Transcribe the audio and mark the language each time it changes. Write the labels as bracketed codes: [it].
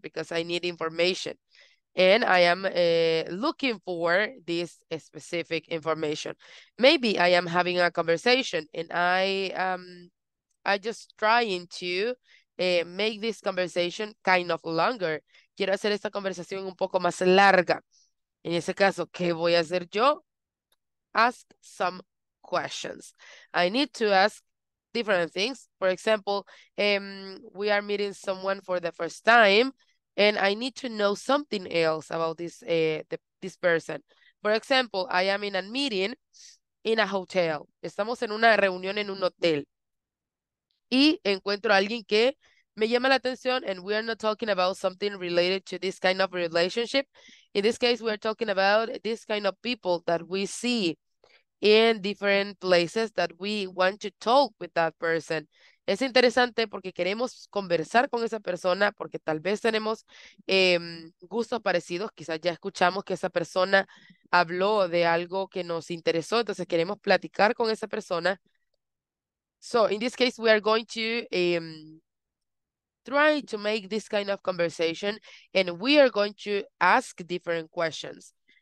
[en] Because I need information. And I am looking for this specific information. Maybe I am having a conversation and I just trying to make this conversation kind of longer. [es] Quiero hacer esta conversación un poco más larga. En ese caso, ¿qué voy a hacer yo? [en] Ask some questions. I need to ask different things. For example, we are meeting someone for the first time and I need to know something else about this this person. For example, I am in a meeting in a hotel. [es] Estamos en una reunión en un hotel. Y encuentro a alguien que me llama la atención, [en] and we are not talking about something related to this kind of relationship. In this case, we are talking about this kind of people that we see in different places that we want to talk with that person. [es] Es interesante porque queremos conversar con esa persona porque tal vez tenemos gustos parecidos. Quizás ya escuchamos que esa persona habló de algo que nos interesó. Entonces queremos platicar con esa persona. [en] So in this case, we are going to try to make this kind of conversation and we are going to ask different questions.